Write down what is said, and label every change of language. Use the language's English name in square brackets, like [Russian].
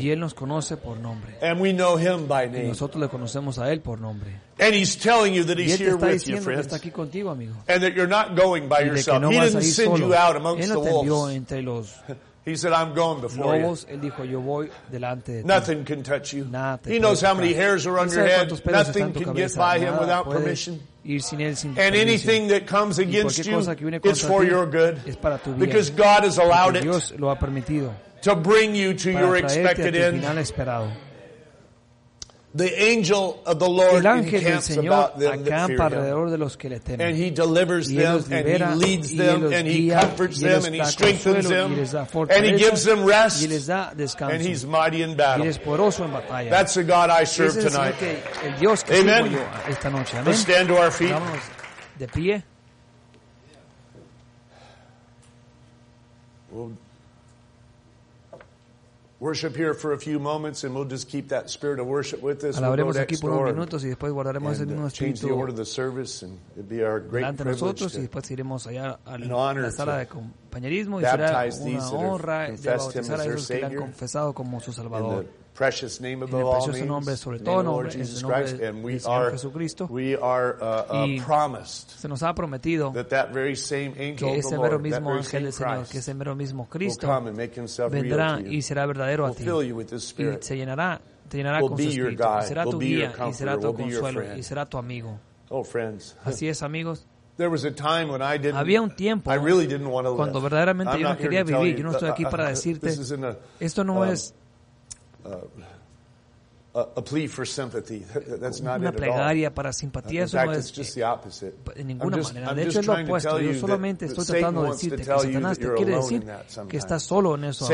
[Spanish] Y él nos conoce por nombre. [English] And we know him by name. [Spanish] Y nosotros le conocemos a él por nombre. [English] And he's telling you that he's here with you, friends. [Spanish] Que está aquí contigo, amigo. [English] And that you're not going by yourself. [Spanish] No [English] he didn't send [Spanish] solo. [English] You out amongst [Spanish] él no [English] the wolves. [Spanish] Te envió entre los [English] he said, I'm going before [Spanish] lobos. [English] You. [Spanish] Él dijo, yo voy delante de ti. [English] Nothing can touch you. [Spanish] Nada te [English] he knows [Spanish] tocar. [English] How many hairs are on your head. Nothing can [Spanish] cabeza. [English] Get by [Spanish] nada [English] him without permission. [Spanish] Ir sin él, sin [English] and anything that comes against you, it's for [Spanish] ti, [English] your good. [Spanish] Es para tu [English] because God has allowed it. [Spanish] Dios lo ha permitido. [English] To bring you to your expected end. The angel of the Lord encamps about them that fear him. [Spanish] De los que le temen. [English] And he delivers [Spanish] y [English] them, [Spanish] libera, [English] and he leads them, and he [Spanish] guía, [English] comforts them, and he strengthens them, and he gives them rest, [Spanish] y les da descanso, [English] and he's mighty in battle. [Spanish] Y es poderoso en batalla. [English] That's the God I serve tonight. [Spanish] El Dios que [English] amen. [Spanish] Yo esta noche. Amen. [English] Let's stand to our feet. [Spanish] De pie. [English] Worship here for a few moments and we'll just keep that spirit of worship with us. [Spanish] Alabaremos [English] we'll [Spanish] aquí por unos minutos y después guardaremos el mismo espíritu. [English] Change the order of the service and it'd be our great privilege [Spanish] nosotros [English] to, [Spanish] y después iremos allá a la sala de compañerismo y será una honra de bautizar a esos que le han confesado como su Salvador. [English] In the precious name above [Spanish] en el precioso nombre, [English] all [Spanish] sobre todo [English] in the [Spanish] nombre, [English] Lord Jesus Christ, and we are promised [Spanish] se nos ha prometido [English] that very same angel [Spanish] que ese mero mismo [English] Lord, [Spanish] ángel del Señor, [English] Christ, [Spanish] que ese mero mismo Cristo [English] will come and make himself [Spanish] vendrá [English] real to you. [Spanish] Y será verdadero [English] will [Spanish] a ti. [English] Fill you with this spirit. [Spanish] Y te llenará [English] will [Spanish] con [English] be [Spanish] su espíritu. [English] Your guide, [Spanish] será tu [English] will [Spanish] guía [English] be your [Spanish] y será tu consuelo y será tu amigo. [English] Oh, friends. [Spanish] Así es, amigos. [English] There was a time when I didn't. [Spanish] Había un tiempo [English] I really didn't want to live. [Spanish] Cuando verdaderamente yo no quería vivir. Yo no estoy aquí para decirte. Esto no es [English] A plea for sympathy. That's not [Spanish] una plegaria [English] it at all. [Spanish] Para simpatía. [English] In fact, [Spanish] no es, [English] it's just the opposite. [Spanish] En ninguna [English] I'm just, [Spanish] manera. [English] I'm [Spanish] de hecho, es lo opuesto. Yo solamente estoy tratando de decirte que Satanás te quiere decir que estás solo en eso